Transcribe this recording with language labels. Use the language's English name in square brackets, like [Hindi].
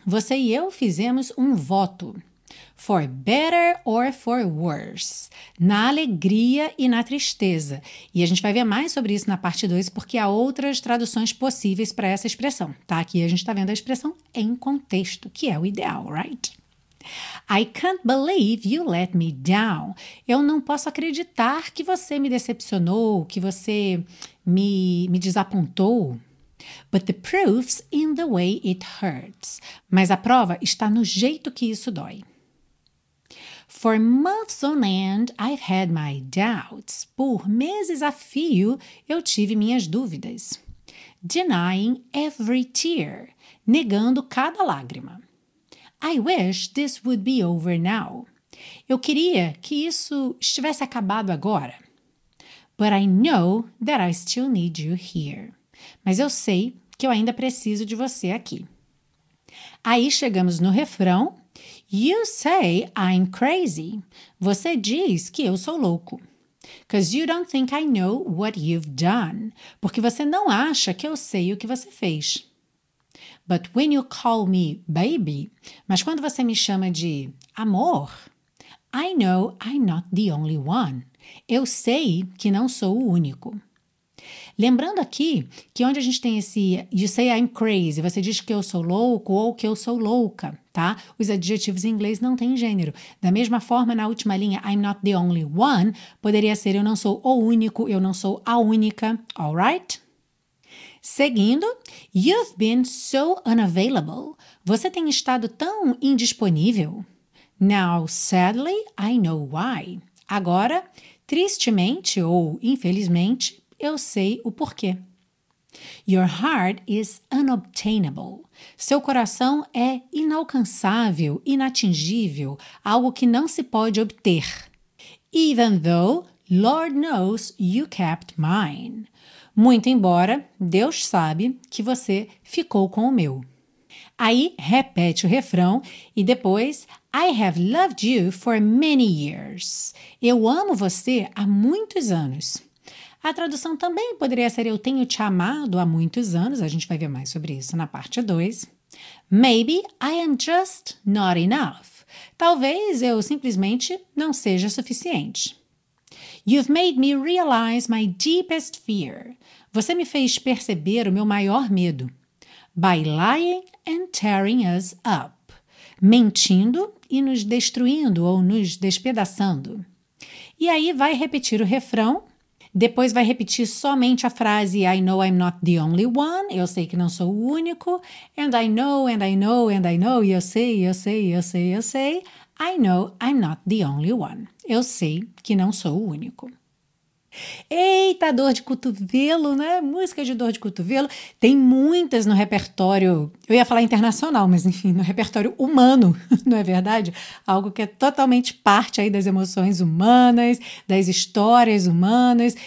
[Portuguese] Você e eu fizemos um voto. [English] For better or for worse. [Portuguese] Na alegria e na tristeza. E a gente vai ver mais sobre isso na parte 2, porque há outras traduções possíveis para essa expressão, tá? Aqui a gente está vendo a expressão em contexto, que é o ideal, right? [English] I can't believe you let me down. [Portuguese] Eu não posso acreditar que você me decepcionou, que você me desapontou. [English] But the proof's in the way it hurts. [Portuguese] Mas a prova está no jeito que isso dói. [English] For months on end, I've had my doubts. [Portuguese] Por meses a fio, eu tive minhas dúvidas. [English] Denying every tear. [Portuguese] Negando cada lágrima. [English] I wish this would be over now. [Portuguese] Eu queria que isso estivesse acabado agora. [English] But I know that I still need you here. [Portuguese] Mas eu sei que eu ainda preciso de você aqui. Aí chegamos no refrão. [English] You say I'm crazy. [Portuguese] Você diz que eu sou louco. [English] Because you don't think I know what you've done. [Portuguese] Porque você não acha que eu sei o que você fez. [English] But when you call me baby, [Portuguese] mas quando você me chama de amor, [English] I know I'm not the only one. [Portuguese] Eu sei que não sou o único. Lembrando aqui que onde a gente tem esse [English] you say I'm crazy, [Portuguese] você diz que eu sou louco ou que eu sou louca, tá? Os adjetivos em inglês não têm gênero. Da mesma forma, na última linha, [English] I'm not the only one, [Portuguese] poderia ser eu não sou o único, eu não sou a única, alright? Seguindo, [English] you've been so unavailable. [Portuguese] Você tem estado tão indisponível. [English] Now, sadly, I know why. [Portuguese] Agora, tristemente ou infelizmente, eu sei o porquê. [English] Your heart is unobtainable. [Portuguese] Seu coração é inalcançável, inatingível, algo que não se pode obter. [English] Even though Lord knows you kept mine. [Portuguese] Muito embora, Deus sabe que você ficou com o meu. Aí, repete o refrão e depois, [English] I have loved you for many years. [Portuguese] Eu amo você há muitos anos. A tradução também poderia ser, eu tenho te amado há muitos anos. A gente vai ver mais sobre isso na parte 2. [English] Maybe I am just not enough. [Portuguese] Talvez eu simplesmente não seja suficiente. [English] You've made me realize my deepest fear. [Portuguese] Você me fez perceber o meu maior medo. [English] By lying and tearing us up. [Portuguese] Mentindo e nos destruindo ou nos despedaçando. E aí vai repetir o refrão. Depois vai repetir somente a frase [English] I know I'm not the only one. [Portuguese] Eu sei que não sou o único. [English] And I know, and I know, and I know. [Portuguese] Eu sei, eu sei, eu sei, eu sei. [English] I know I'm not the only one. [Portuguese] Eu sei que não sou o único. Eita, dor de cotovelo, né? Música de dor de cotovelo. Tem muitas no repertório, eu ia falar internacional, mas enfim, no repertório humano, não é verdade? Algo que é totalmente parte aí das emoções humanas, das histórias humanas.